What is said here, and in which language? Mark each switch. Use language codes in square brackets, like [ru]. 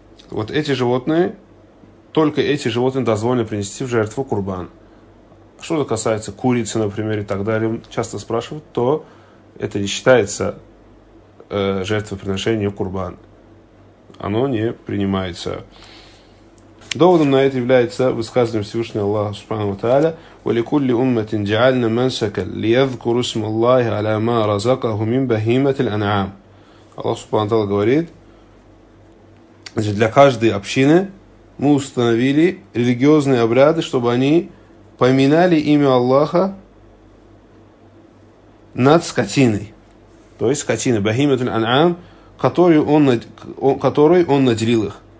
[ru] Вот эти животные, только эти животные дозволены принести в жертву курбан. Что касается курицы, например, и так далее, часто спрашивают, то это не считается жертвоприношение курбан. Оно не принимается. Доводом на это является высказанным Всевышним Аллаху Субхану ва Тааля: [ar] وَلِكُلِّ أُمَّةٍ جَعَلْنَا مَنْسَكًا لِيَذْكُرُوا اسْمَ اللَّهِ عَلَى مَا رَزَقَهُمْ مِنْ بَهِيمَةِ الْأَنْعَامِ. [ru] Аллах Субхану ва Тааля говорит, значит, для каждой общины мы установили религиозные обряды, чтобы они поминали имя Аллаха над скотиной. То есть скотина, бахимат аль-анъам, которой он наделил их.